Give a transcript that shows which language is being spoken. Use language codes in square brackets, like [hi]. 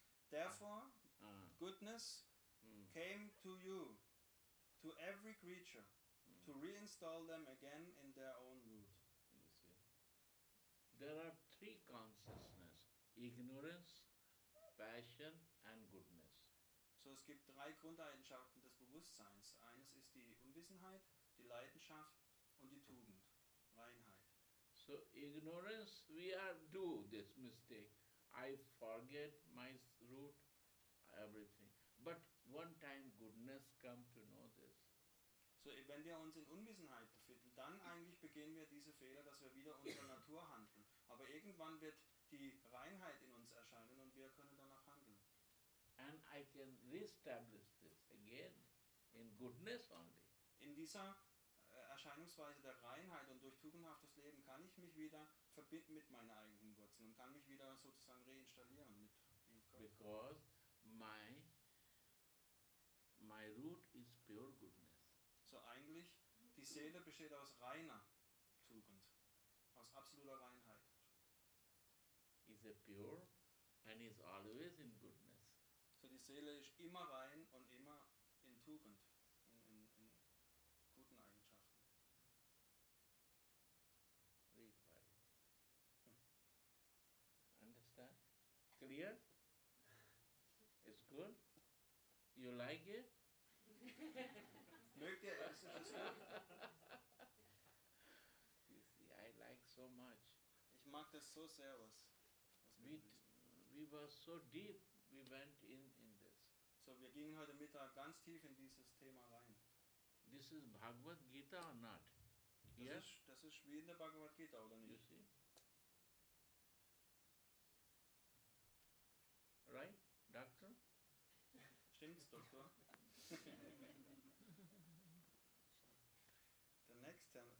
[en] Therefore, goodness came to you, to every creature, to reinstall them again in their own root. There are three consciousness: ignorance, passion, and goodness. [de] So es gibt drei Grundeigenschaften des Bewusstseins. Eines ist die Unwissenheit, die Leidenschaft und die Tugend, Reinheit. [en] So ignorance, we are do this mistake. I forget my root, everything. But one time goodness come to know this. [de] So wenn wir uns in Unwissenheit befinden, dann eigentlich begehen wir diese Fehler, dass wir wieder unsere Natur handeln. Aber irgendwann wird die Reinheit in uns erscheinen und wir können danach handeln. [en] And I can re-establish this again in goodness only. [de] In dieser Erscheinungsweise der Reinheit und durch tugendhaftes Leben kann ich mich wieder verbinden mit meiner eigenen Wurzeln und kann mich wieder sozusagen reinstallieren mit Gott. [en] Because my root is pure goodness. [de] So eigentlich, die Seele besteht aus reiner Tugend, aus absoluter Reinheit. [en] Is a pure and is always in goodness. [de] So die Seele ist immer rein und immer in Tugend, in guten Eigenschaften. [en] Read by it. Understand? Clear? It's good? You like it? [de] Mögt ihr es? [en] You see, I like so much. [de] Ich mag das so sehr, was. [en] We were so deep, we went in this. [de] So wir gingen heute Mittag ganz tief in dieses Thema rein. [en] This is Bhagavad Gita or not? [de] Das [en] yes? [de] Das ist wie in der Bhagavad Gita, oder nicht? [en] You see? Right, Doctor? [de] Stimmt's, Doktor? [en] The next time.